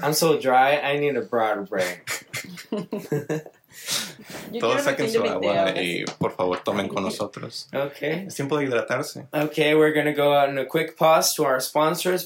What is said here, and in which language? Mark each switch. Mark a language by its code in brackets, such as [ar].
[en] I'm so dry, I need a broad break. [es] Todos saquen su agua y por favor tomen con nosotros. Ok. Es tiempo de hidratarse. [en] Ok, we're going to go on a quick pause to our sponsors.